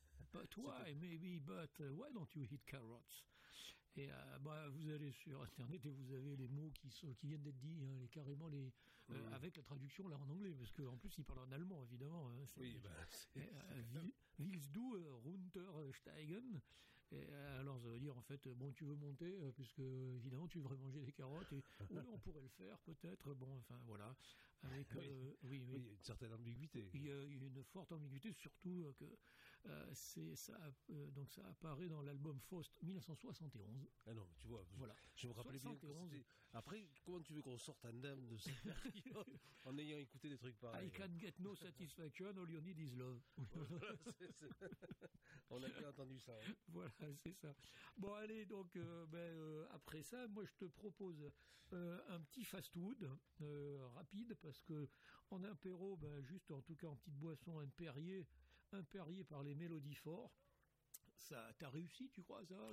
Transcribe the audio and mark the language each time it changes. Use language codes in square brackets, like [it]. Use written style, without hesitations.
[en] But why, maybe, but why don't you eat carrots? [fr] Et bah, vous allez sur internet et vous avez les mots qui viennent d'être dits, hein, carrément les, avec la traduction là en anglais, parce qu'en plus ils parlent en allemand évidemment. Hein, c'est, oui, bah, c'est [de] Willst du runtersteigen? [fr] Et alors ça veut dire en fait, bon, tu veux monter, puisque évidemment tu voudrais manger des carottes, et oui, on pourrait le faire peut-être, bon, enfin voilà. Avec, oui, il y a une certaine ambiguïté. Il y a une forte ambiguïté, surtout que c'est ça, donc ça apparaît dans l'album Faust 1971. Ah non, tu vois, voilà. Je me rappelais 71. Bien. Après, comment tu veux qu'on sorte indemne de ça en ayant écouté des trucs pareils? [en] I can't get no satisfaction, all you need is love. [fr] Voilà, c'est... On a bien entendu ça. Hein. Voilà, c'est ça. Bon, allez, donc après ça, moi je te propose un petit fast-food rapide. Parce que en apéro, ben juste en tout cas en petite boisson, un Perrier par les Mélodies Fort, ça t'as réussi, tu crois ça?